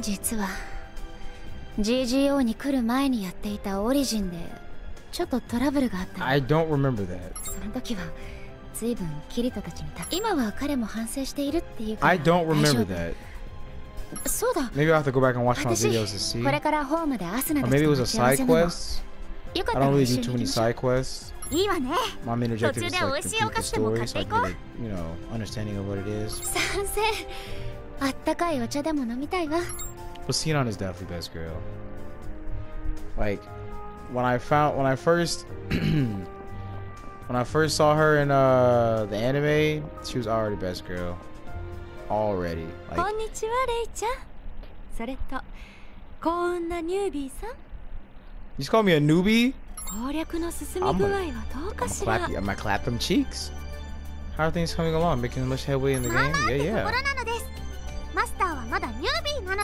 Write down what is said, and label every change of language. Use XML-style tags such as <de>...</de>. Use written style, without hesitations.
<ja>実はGGO に来る前にやっていたオリジンでちょっとトラブルがあった。</ja> <en>I don't remember that.</en> <ja>その時は随分キリトたちにた。今は彼も反省しているっていうか。</ja> <en>I don't remember that.</en> <ja>そうだ。</ja> <en>Maybe I have to go back and watch my videos to see.</en> <ja>これからホームでアスナたちと待ち合わせなの。</ja> <en>Maybe it was a side quest. I don't really do too many side quests.</en> <ja>いいわね。途中で美味しいお菓子でも買っていこう。</ja> <en>You know, understanding of what it is.</en> <ja>賛成。あったかいお茶でも飲みたいわ。</ja> <en>But Sinon is definitely best girl. Like, when I first when I first saw her in the anime, she was already best girl. Already. Like...</en> <ja>こんにちは、レイちゃん。それと、幸運なニュービーさん。</ja> <en>You just call me a newbie?</en> <ja>攻略の進み具合はどうかしら。</ja> <en>I'm gonna clap them cheeks. How are things coming along? Making much headway in the game?</en> <ja>まだってところなのです。マスターはまだニュービーなの。</ja>